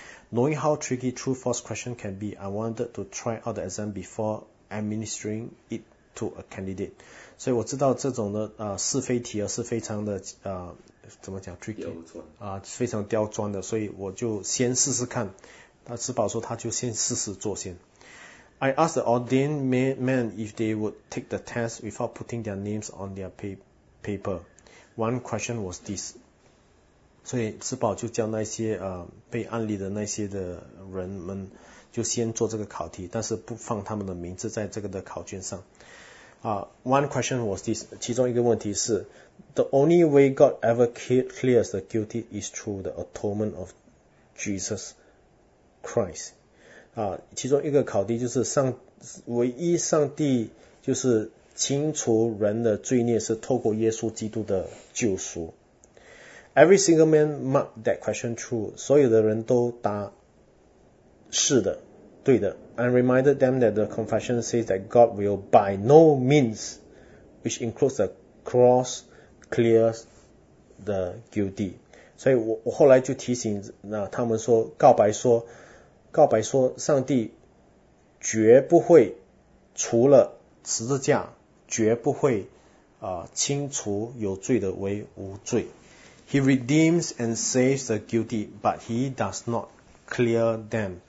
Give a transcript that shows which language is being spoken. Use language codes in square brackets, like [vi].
[en] Knowing how tricky true false question can be, I wanted to try out the exam before administering it to a candidate. [zh] 所以我知道这种的是非题啊是非常的怎么讲 tricky 啊非常刁钻的，所以我就先试试看。那施宝说他就先试试做先。 [en] I asked the ordained men if they would take the test without putting their names on their paper. One question was this. [zh] 所以施宝就叫那些被案例的那些的人们就先做这个考题，但是不放他们的名字在这个的考卷上。 [en] One question was this. [zh] 其中一个问题是 [en] The only way God ever clears the guilty is through the atonement of Jesus Christ. [zh] 其中一个考题就是唯一上帝就是清除人的罪孽是透过耶稣基督的救赎。 [en] Every single man marked that question true. [zh] 所有的人都答是的，对的。 [en] I reminded them that the confession says that God will by no means, which includes the cross, clear the guilty. [zh] 所以我后来就提醒他们说，告白说上帝绝不会除了十字架绝不会清除有罪的为无罪。 [en] He redeems and saves the guilty, but he does not clear them.